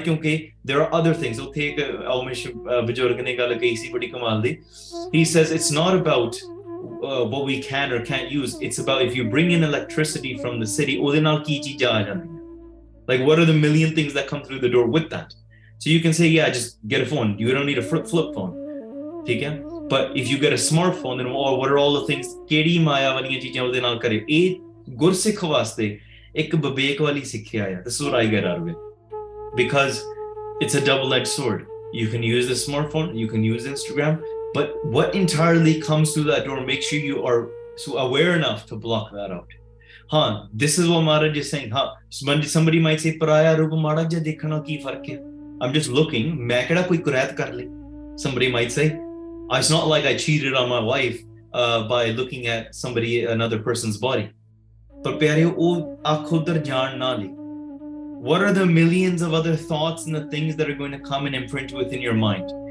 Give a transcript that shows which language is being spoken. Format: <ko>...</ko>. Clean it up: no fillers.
<en>Because there are other things. He says it's not about what we can or can't use. It's about if you bring in electricity from the city, like what are the million things that come through the door with that? So you can say, yeah, just get a phone. You don't need a flip phone. Okay? But if you get a smartphone, then what are all the things?</en> <pa>ਕਿਹੜੀ ਮਾਇਆ ਵਾਲੀਆਂ ਚੀਜ਼ਾਂ ਉਹਦੇ ਨਾਲ ਕਰੇ? ਇਹ ਗੁਰਸਿੱਖ ਵਾਸਤੇ ਇੱਕ ਵਿਵੇਕ ਵਾਲੀ ਸਿੱਖਿਆ ਆ. ਦੱਸੋ ਰਾਈ ਗਰ ਆਰਵੇ.</pa> <en>Because it's a double-edged sword. You can use the smartphone, you can use Instagram, but what entirely comes through that door, make sure you are so aware enough to block that out. ਹਾਂ, this is what Maharaj is saying.</en> <pa>ਹਾਂ,</pa> <en>somebody might say,</en> <pa>ਪਰਾਇਆ ਰੂਪ ਮਾੜਾ ਜਿਹਾ ਦੇਖਣਾ ਕੀ ਫਰਕ ਹੈ?</pa> <en>I'm just looking.</en> <pa>ਮੈਂ ਕਿਹੜਾ ਕੋਈ ਕੁਰੈਤ ਕਰ ਲਈ?</pa> <en>Somebody might say, it's not like I cheated on my wife by looking at somebody, another person's body. But</en> <pa>pyare o akhudar jaan na le.</pa> <en>What are the millions of other thoughts and the things that are going to come and imprint within your mind?</en>